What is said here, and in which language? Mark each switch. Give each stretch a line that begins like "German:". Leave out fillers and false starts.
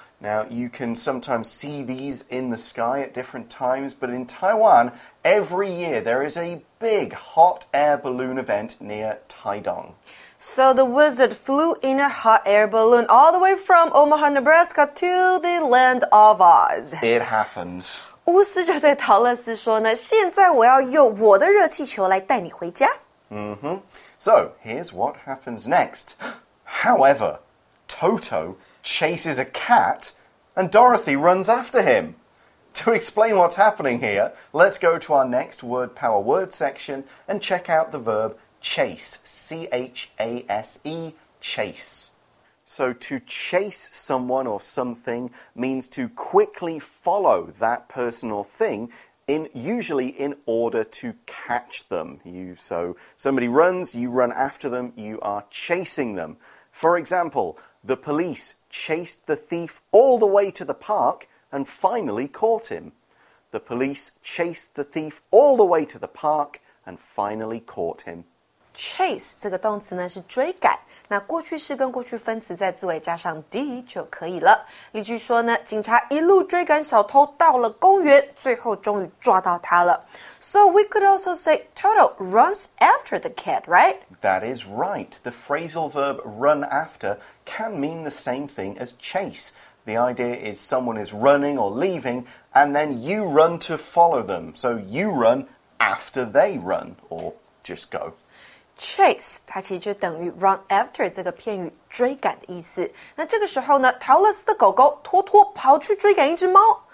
English: Now, you can sometimes see these in the sky at different times, but in Taiwan, every year there is a big hot air balloon event near Taidong. So the wizard flew in a hot air balloon all the way from Omaha, Nebraska to the land of Oz. It happens.
Chinese: 巫师就对陶乐斯说呢，现在我要用我的热气球来带你回家。
English: Mm-hmm. So here's what happens next. However... Toto chases a cat and Dorothy runs after him. To explain what's happening here, let's go to our next word power word section and check out the verb chase, C-H-A-S-E, chase. So to chase someone or something means to quickly follow that person or thing in, usually in order to catch them. So somebody runs, you run after them, you are chasing them. For example,The police chased the thief all the way to the park and finally caught him. The police chased the thief all the way to the park and finally caught him.
Chinese: Chase 这个动词呢是追赶，那过去式跟过去分词在字尾加上 d 就可以了。例句说呢，警察一路追赶小偷到了公园，最后终于抓到他了。
English: So we could also say Toto runs after the cat, right? That is right. The phrasal verb run after can mean the same thing as chase. The idea is someone is running or leaving, and then you run to follow them. So you run after they run, or just go.
Chinese: chase, 它其实就等于 run after 这个片语追赶的意思。那这个时候呢，陶乐斯的狗狗托托跑去追赶一只猫。